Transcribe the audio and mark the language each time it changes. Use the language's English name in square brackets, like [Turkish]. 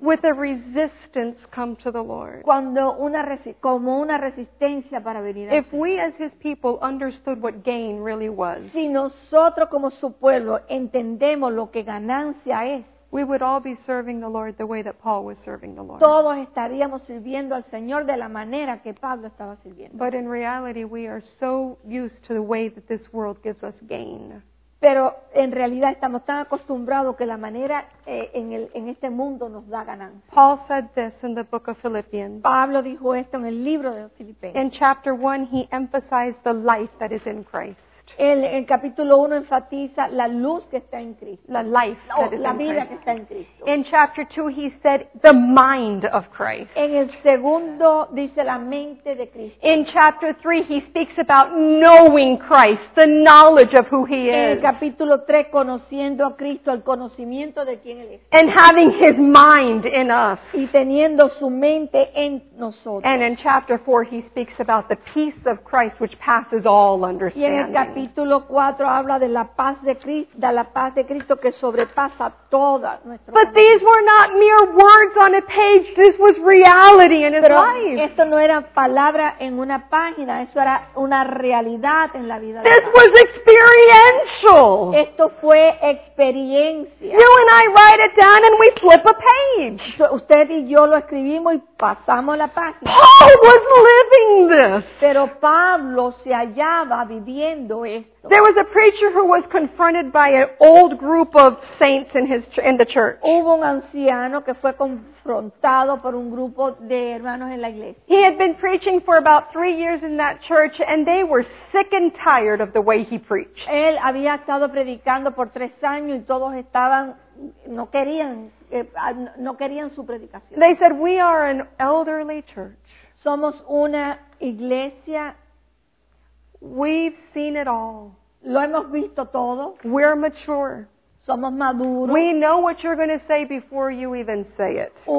[English] With a resistance come to the Lord. [Spanish] Cuando una resistencia para venir al Señor. [English] If we as his people understood what gain really was. [Spanish] Si nosotros como su pueblo entendemos lo que ganancia es. [English] We would all be serving the Lord the way that Paul was serving the Lord. [Spanish] Todos estaríamos sirviendo al Señor de la manera que Pablo estaba sirviendo. [English] But in reality, we are so used to the way that this world gives us gain. [Spanish] Pero en realidad estamos tan acostumbrados que la manera en este mundo nos da ganancia. [English] Paul said this in the book of Philippians. [Spanish] Pablo dijo esto en el libro de los Filipenses. [English] In chapter 1, he emphasized the life that is in Christ. [Spanish] El capítulo 1 enfatiza la luz que está en Cristo. La [English] life that is [Spanish] la [English] in [Spanish] vida [English] Christ. [Spanish] Que está en Cristo. [English] In chapter 2 he said the mind of Christ. [Spanish] En el segundo dice la mente de Cristo. [English] In chapter 3 he speaks about knowing Christ, the knowledge of who he is. [Spanish] En el capítulo 3 conociendo a Cristo, el conocimiento de quién él es. [English] And having his mind in us. [Spanish] Y teniendo su mente en nosotros. [English] And in chapter 4 he speaks about the peace of Christ which passes all understanding. [Spanish] Capítulo 4 habla de la paz de Cristo, da la paz de Cristo que sobrepasa toda nuestra [English] But [Spanish] manera. [English] These were not mere words on a page. This was reality in [Spanish] Pero [English] his life. [Spanish] Esto no era palabra en una página, eso era una realidad en la vida [English] This [Spanish] de [English] This was experiential. [Spanish] Esto fue experiencia. [English] You and I write it down and we flip a page. [Spanish] Usted y yo lo escribimos y pasamos la página. [English] Paul was living this. [Spanish] Pero Pablo se hallaba viviendo [English] There was a preacher who was confronted by an old group of saints in the church. [Spanish] Hubo un anciano que fue confrontado por un grupo de hermanos en la iglesia. [English] He had been preaching for about 3 years in that church, and they were sick and tired of the way he preached. [Spanish] Él había estado predicando por 3 años y todos estaban no querían su predicación. [English] They said, "We are an elderly church." [Spanish] Somos una iglesia. [English] We've seen it all. [Spanish] Lo hemos visto todo. [English] We're mature. [Spanish] Somos maduros. [English] We know what you're going to say before you even say it.